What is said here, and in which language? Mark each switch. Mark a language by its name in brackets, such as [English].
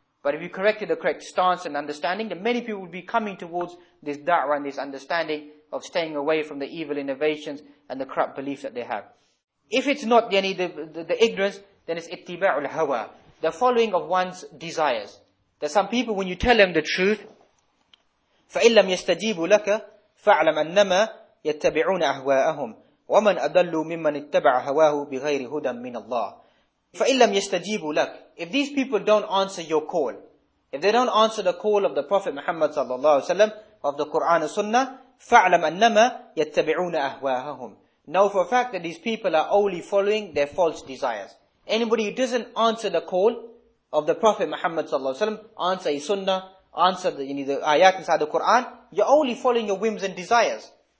[English] But if you corrected the correct stance and understanding, then many people would be coming towards this da'wah and this understanding of staying away from the evil innovations and the corrupt beliefs that they have. If it's not the ignorance, then it's ittiba'ul hawa, the following of one's desires. There's some people, when you tell them the truth, [Arabic] فَإِنْ لَمْ يَسْتَجِيبُ لَكَ فَاعْلَمْ أَنَّمَا يَتَّبِعُونَ أَهْوَاءَهُمْ وَمَنْ أَدَلُّ مِمَّنِ اتَّبَعَ هَوَاهُ بِغَيْرِ هُدًى مِنَ اللَّهِ. فَإِنْ لَمْ يَسْتَجِيبُ لَكَ. [English] If these people don't answer your call, if they don't answer the call of the Prophet Muhammad sallallahu alaihi wasallam, of the Quran and Sunnah, [Arabic] فَاعْلَمْ أَنَّمَا يَتَّبِعُونَ أَهْوَاهُمْ. [English] Know for a fact that these people are only following their false desires. Anybody who doesn't answer the call of the Prophet Muhammad sallallahu alaihi wasallam, answer his Sunnah, answer the ayat inside the Quran, you're only following your whims and desires.